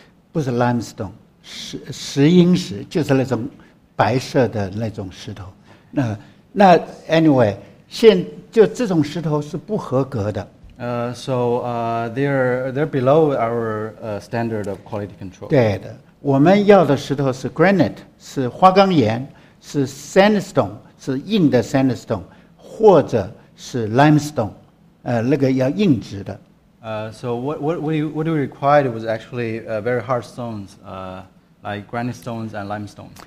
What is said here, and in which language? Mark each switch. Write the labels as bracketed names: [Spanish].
[Chinese] 不是 limestone, 石英石就是那种白色的那种石头。那 anyway, 现就这种石头是不合格的。 [English] They're below our standard of quality control. [Chinese] 对的，我们要的石头是 granite, 是花岗岩，是 sandstone。是硬的 sandstone, 或者是 limestone, 那个要硬质的。 [English] So what do we required was actually very hard stones, like granite stones and limestone.